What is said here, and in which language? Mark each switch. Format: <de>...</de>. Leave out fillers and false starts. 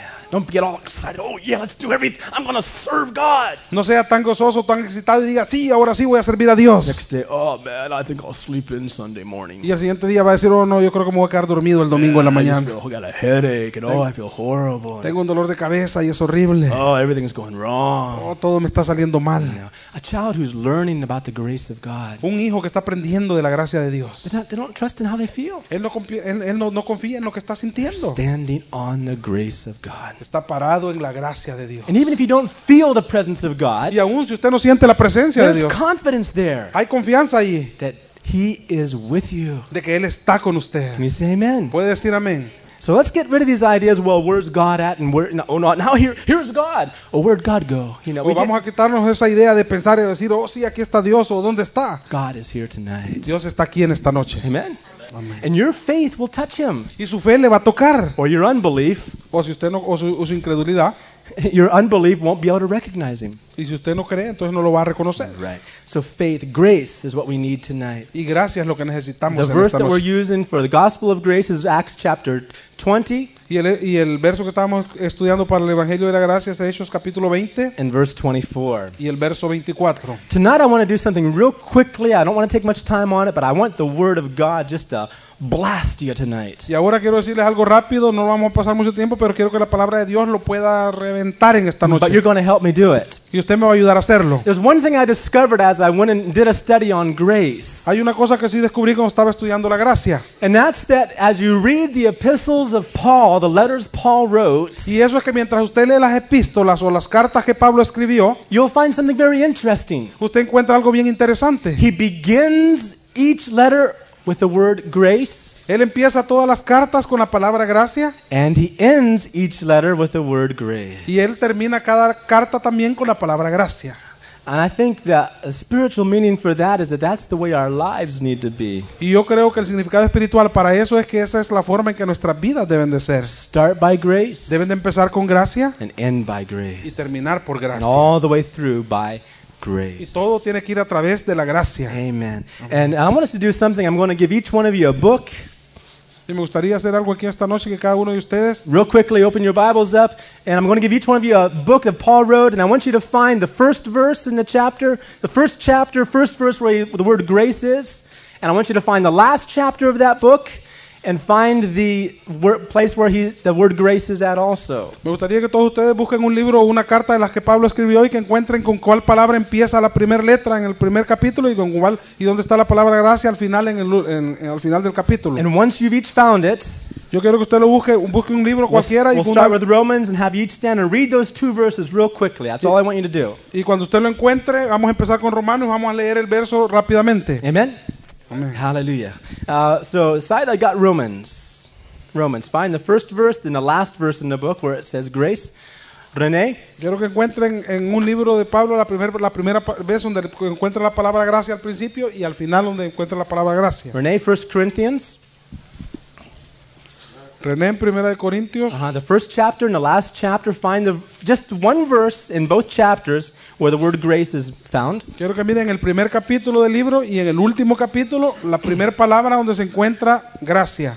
<en>Don't get all excited. Oh yeah, let's do everything. I'm gonna serve God.</en> <es>No sea tan gozoso, tan excitado y diga sí, ahora sí voy a servir a Dios.</es> <en>Next day, oh man, I think I'll sleep in Sunday morning.</en> <es>Y el siguiente día va a decir, oh no, yo creo que me voy a quedar dormido el domingo en la mañana.</es> <en>I just feel, oh, got a headache. Oh, I feel horrible.</en> <es>Tengo un dolor de cabeza y es horrible.</es> <en>Oh, everything's going wrong.</en> <es>Oh, todo me está saliendo mal.</es> <en>No. A child who's learning about the grace of God.</en> <es>Un hijo que está aprendiendo de la gracia de Dios.</es> <en>They don't trust in how they feel.</en> <es>Él no confía en lo que está sintiendo.</es> <en>Standing on the grace of God.</en> <es>Está parado en la gracia de Dios.</es> <en>And even if you don't feel the presence of God,</en> <es>y aún si usted no siente la presencia de Dios,</es> <en>there's confidence there.</en> <es>Hay confianza allí.</es> <en>That He is with you.</en> <es>De que Él está con usted.</es> <en>Can you say amen?</en> <es>Puede decir amén.</es> <en>So let's get rid of these ideas. Well, where's God at? And where? Oh no! Now here's God. Oh, where'd God go? You know.</en> <es>Vamos a quitarnos esa idea de pensar y decir, oh sí, aquí está Dios. O dónde está?</es> <en>God is here tonight.</en> <es>Dios está aquí en esta noche.</es> <en>Amen. And your faith will touch him.</en> <es>Y su fe le va a tocar.</es> <en>Or your unbelief.</en> <es>O si usted no, o su incredulidad.</es> <en>Your unbelief won't be able to recognize him.</en> <es>Y si usted no cree, entonces no lo va a reconocer.</es> <en>Right. So faith, grace is what we need tonight.</en> <es>Y gracia es lo que necesitamos.</es> <en>The verse that we're using for the gospel of grace is Acts chapter 20.</en> <es>Y el verso que estábamos estudiando para el Evangelio de la Gracia es Hechos capítulo 20.</es> <en>And verse 24.</en> <es>Y el verso 24.</es> <en>Tonight I want to do something real quickly. I don't want to take much time on it, but I want the Word of God just to blast you tonight.</en> <es>Y ahora quiero decirles algo rápido. No vamos a pasar mucho tiempo, pero quiero que la palabra de Dios lo pueda reventar en esta noche.</es> <en>But you're going to help me do it.</en> <es>Y usted me va a ayudar a hacerlo.</es> <en>There's one thing I discovered as I went and did a study on grace.</en> <es>Hay una cosa que sí descubrí cuando estaba estudiando la gracia.</es> <en>And that's that as you read the epistles of Paul, the letters Paul wrote.</en> <es>Y eso es que mientras usted lee las epístolas o las cartas que Pablo escribió,</es> <en>you'll find something very interesting.</en> <es>Usted encuentra algo bien interesante.</es> <en>He begins each letter with the word grace.</en> <es>Él empieza todas las cartas con la palabra gracia.</es> <en>And he ends each letter with the word grace.</en> <es>Y él termina cada carta también con la palabra gracia.</es> <en>And I think the spiritual meaning for that is that that's the way our lives need to be.</en> <es>Y yo creo que el significado espiritual para eso es que esa es la forma en que nuestras vidas deben de ser.</es> <en>Start by grace.</en> <es>Deben de empezar con gracia.</es> <en>And end by grace.</en> <es>Y terminar por gracia.</es> <en>And all the way through by grace.</en> <es>Y todo tiene que ir a través de la gracia.</es> <en>Amen. And I want us to do something. I'm going to give each one of you a book.</en> <es>Y me gustaría hacer algo aquí esta noche que cada uno de ustedes.</es> <en>Real quickly, open your Bibles up, and I'm going to give each one of you a book that Paul wrote, and I want you to find the first verse in the first chapter, first verse where the word grace is, and I want you to find the last chapter of that book, and find the place where the word grace is at also.</en> <es>Me gustaría que todos ustedes busquen un libro o una carta de las que Pablo escribió y que encuentren con cuál palabra empieza la primera letra en el primer capítulo y con cuál y dónde está la palabra gracia al final al final del capítulo.</es> <en>And once you've each found it,</en> <es>yo quiero que usted lo busque un libro cualquiera.</es> <en>We'll start with Romans and have you each stand and read those two verses real quickly. That's all I want you to do.</en> <es>Y cuando usted lo encuentre, vamos a empezar con Romanos y vamos a leer el verso rápidamente.</es> <en>Amen. Hallelujah. So Saida got Romans. Romans. Find the first verse and the last verse in the book where it says grace. René.</en> <es>Quiero que encuentren en un libro de Pablo la primera vez donde encuentra la palabra gracia al principio y al final donde encuentra la palabra gracia.</es> <en>René, 1 Corinthians.</en> <es>René, en Primera de Corintios.</es> <en>The first chapter and the last chapter. Find just one verse in both chapters where the word grace is found.</en> <es>Quiero que miren el primer capítulo del libro y en el último capítulo la primera palabra donde se encuentra gracia.</es>